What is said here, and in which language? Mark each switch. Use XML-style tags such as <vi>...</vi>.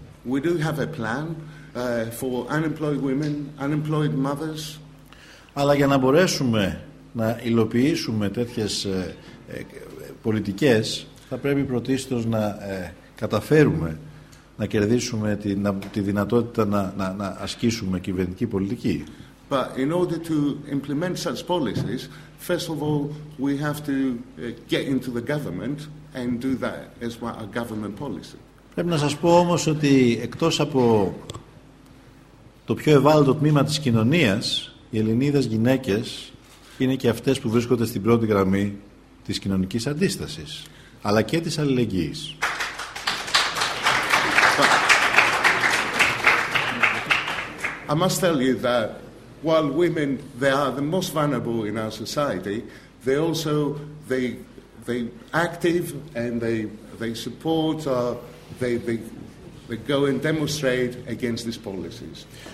<en>We do have a plan for unemployed women, unemployed mothers.</en> <el>Αλλά για να μπορέσουμε να υλοποιήσουμε τέτοιες πολιτικές, θα πρέπει πρωτίστως να καταφέρουμε να κερδίσουμε τη δυνατότητα να ασκήσουμε κυβερνητική πολιτική.</el> <en>But in order to implement such policies, first of all, we have to get into the government and do that as a government policy.</en> <el>Πρέπει να σας πω όμως ότι εκτός από το πιο ευάλωτο τμήμα της κοινωνίας, οι Ελληνίδες γυναίκες είναι και αυτές που βρίσκονται στην πρώτη γραμμή της κοινωνικής αντίστασης, αλλά και της αλληλεγγύης.</el> <en>I must tell you that while women they are the most vulnerable in our society, they also they active and they support they go and demonstrate against these policies.</en>